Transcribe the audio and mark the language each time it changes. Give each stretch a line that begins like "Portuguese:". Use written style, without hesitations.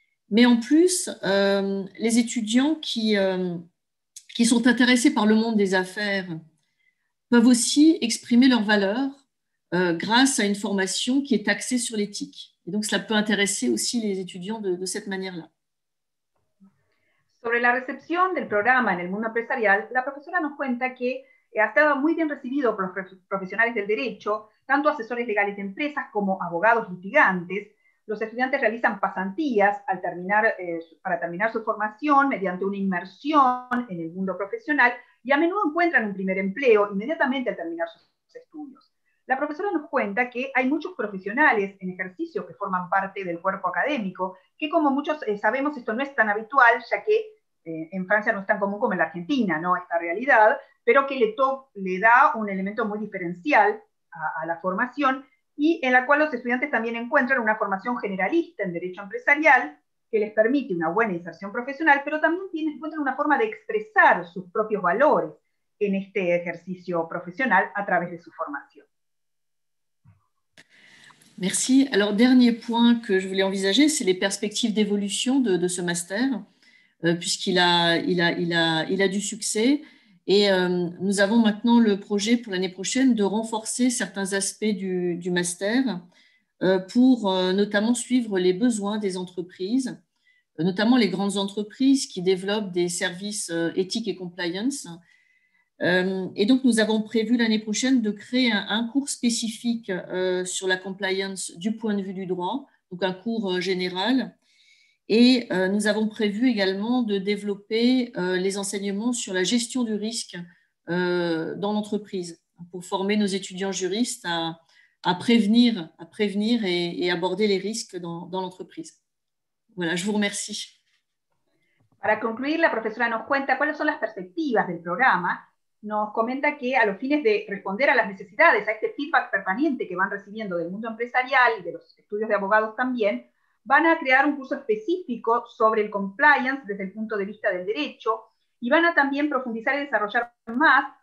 French: Mais en plus, les étudiants qui sont intéressés par le monde des affaires peuvent aussi exprimer leurs valeurs grâce à une formation qui est axée sur l'éthique. Et donc, cela peut intéresser aussi les étudiants de cette manière-là.
Spanish: Sobre la recepción del programa en el mundo empresarial, la profesora nos cuenta que ha estado muy bien recibido por los profesionales del derecho, tanto asesores legales de empresas como abogados litigantes. Los estudiantes realizan pasantías para terminar su formación mediante una inmersión en el mundo profesional y a menudo encuentran un primer empleo inmediatamente al terminar sus estudios. La profesora nos cuenta que hay muchos profesionales en ejercicio que forman parte del cuerpo académico, que como muchos sabemos esto no es tan habitual, ya que en Francia no es tan común como en la Argentina, ¿no?, esta realidad, pero que le da un elemento muy diferencial a la formación y en la cual los estudiantes también encuentran una formación generalista en derecho empresarial que les permite una buena inserción profesional, pero también encuentran una forma de expresar sus propios valores en este ejercicio profesional a través de su formación.
French: Merci. Alors, dernier point que je voulais envisager, c'est les perspectives d'évolution de ce master, puisqu'il a du succès. Et nous avons maintenant le projet pour l'année prochaine de renforcer certains aspects du master pour notamment suivre les besoins des entreprises, notamment les grandes entreprises qui développent des services éthiques et compliance. Et donc, nous avons prévu l'année prochaine de créer un cours spécifique sur la compliance du point de vue du droit, donc un cours général. Et nous avons prévu également de développer les enseignements sur la gestion du risque dans l'entreprise pour former nos étudiants juristes à prévenir et aborder les risques dans l'entreprise. Voilà, je vous remercie.
Spanish: Para concluir, la profesora nos cuenta cuáles son las perspectivas del programa. Nos comenta que a los fines de responder a las necesidades, a este feedback permanente que van recibiendo del mundo empresarial y de los estudios de abogados también, van a crear un curso específico sobre el compliance desde el punto de vista del derecho y van a también profundizar y desarrollar más